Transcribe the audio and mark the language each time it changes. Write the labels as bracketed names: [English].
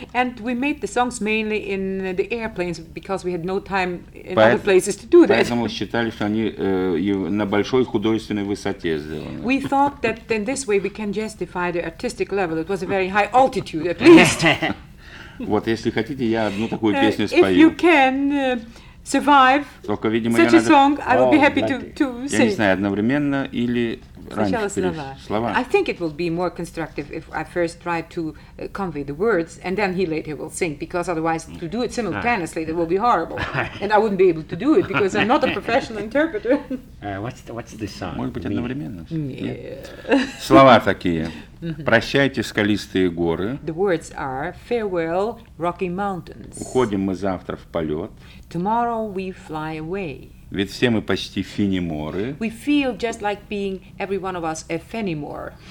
[English] And we made the songs mainly in the airplanes because we had no time in other places to do that. [Russian] Поэтому считали, что они на большой художественной высоте сделаны. [English] We thought that in this way we can justify the artistic level. It was a very high altitude, at least. [Russian] Вот, если хотите, я одну такую песню спою. [English] If you can. Survive. [Russian] Только, видимо, [English] such a song, I will be happy to sing. [Russian] Я не знаю, одновременно или раньше. Слова. [English] I think it will be more constructive if I first try to convey the words, and then he later will sing, because otherwise to do it simultaneously, that will be horrible. And I wouldn't be able to do it, because I'm not a professional interpreter. What's this song? [Russian] Может быть, одновременно? [English] Yeah. [Russian] Слова такие. Прощайте, скалистые горы. [English] The words are, farewell, rocky mountains. [Russian] Уходим мы завтра в полет. [English] Tomorrow we fly away. [Russian] Ведь все мы почти финиморы. [English] We feel just like being every one of us a fenimore.